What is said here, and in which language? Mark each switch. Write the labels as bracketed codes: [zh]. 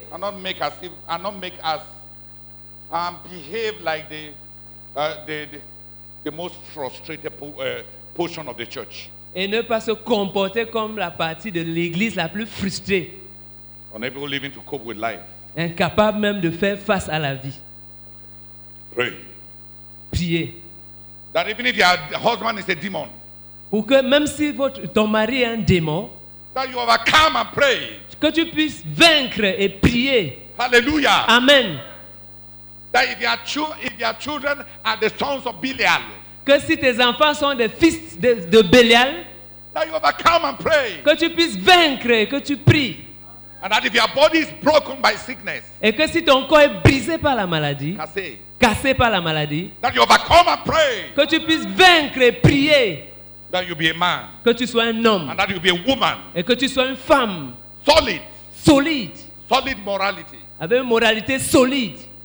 [en] And not make us behave like the most frustrated portion of the church. [fr] Et ne pas se comporter comme la partie de l'église la plus frustrée. [en] Unable living to cope with life. [fr] Incapable même de faire face à la vie. [en] Pray. [fr] Prier. [en] That even if your husband is a demon. [fr] Pour que même si ton mari est un démon. [en] That you overcome and pray. [fr] Que tu puisses vaincre et prier. Hallelujah. Amen. [en] That if your children are the sons of Belial. [fr] Que si tes enfants sont des fils de Belial. [en] That you overcome and pray. [fr] Que tu puisses vaincre et que tu pries. [en] And that if your body is broken by sickness. [fr] Et que si ton corps est brisé par la maladie. Cassé par la maladie. [en] That you overcome and pray. [fr] Que tu puisses vaincre et prier. [en] That you be a man. [fr] Que tu sois un homme. [en] And that you be a woman. [fr] Et que tu sois une femme. [en] Solid. [fr] Solide. [en] Solid morality. [fr] Avec une moralité solide.